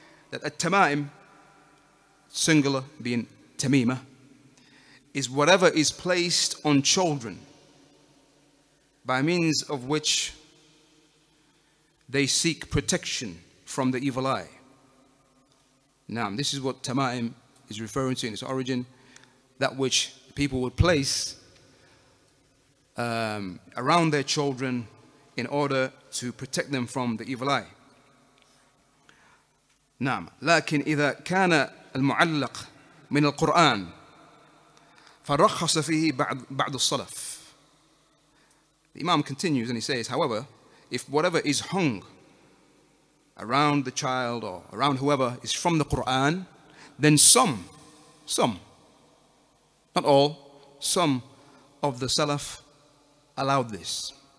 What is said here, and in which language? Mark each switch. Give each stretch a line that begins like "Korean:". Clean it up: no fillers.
English: That التمائم, singular being تميمة, is whatever is placed on children by means of which they seek protection from the evil eye. Now, this is what tamaim is referring to in its origin, that which people would place around their children in order to protect them from the evil eye.
Arabic: Naam. لكن إذا كان المعلق من القرآن فرخص فيه بعض الصلف.
English: The Imam continues and he says, however, if whatever is hung around the child or around whoever is from the Quran, then some, not all, some of the Salaf allowed this.